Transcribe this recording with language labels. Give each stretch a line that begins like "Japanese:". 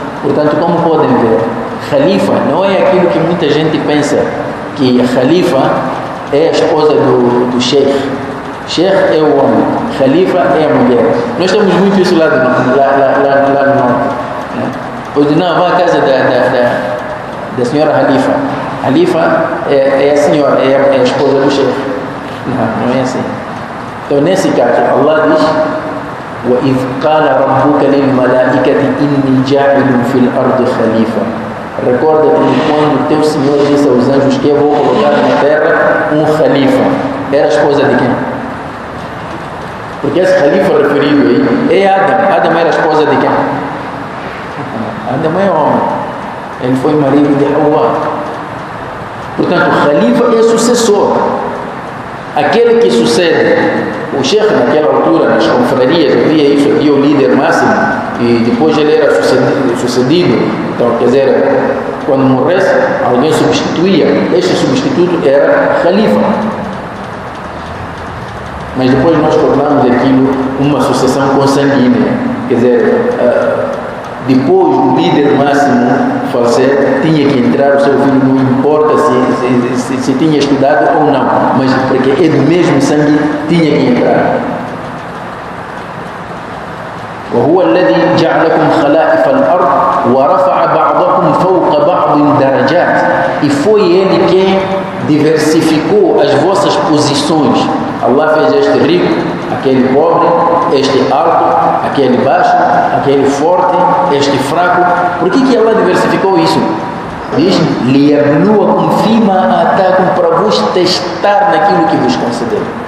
Portuguese: Portanto, como podem ver, Khalifa não é aquilo que muita gente pensa, que Khalifa é a esposa do Sheikh. Sheikh é o homem, Khalifa é a mulher. Nós temos muito isso lá no norte. Pois não, vá à casa da senhora Khalifa. Khalifa é a senhora, é a esposa do Sheikh. Não é assim. Então, nesse caso, Allah diz:
Arabic: وَإِذْ قَالَ رَبُّكَ لِلْمَلَائِكَةِ إِنِّي جَاعِلٌ فِي الْأَرْضِ خَلِيفَةً.
Portuguese: Recorda-te quando teu Senhor disse aos anjos que eu vou colocar na terra um Khalifa. Era a esposa de quem? Porque esse Khalifa referido aí é Adam. Adam era a esposa de quem? Adam é homem. Ele foi marido de Hawa. Portanto, o Khalifa é sucessor. Aquele que sucede. O Sheikh, naquela altura, nas confrarias, via isso aqui, o líder máximo, e depois ele era sucedido. Então, quer dizer, quando morresse, alguém substituía. Este substituto era Khalifa. Mas depois nós tornamos aquilo uma sucessão consanguínea. Quer dizer, depois o líder máximo falecer, tinha que entrar o seu filho, não importa se tinha estudado ou não, mas porque é do mesmo sangue, tinha que entrar.
Arabic: وهو الذي جعلكم خلائف الأرض ورفع بعضكم فوق بعض درجات.
Portuguese: E foi ele quem diversificou as vossas posições. Allah fez este rico, aquele pobre, este alto, aquele baixo, aquele forte, este fraco. Por que Allah diversificou isso? Diz:
Arabic: لِيَبْلُوَكُمْ فِي مَا آتَاكُمْ,
Portuguese: para vos testar naquilo que vos concedeu.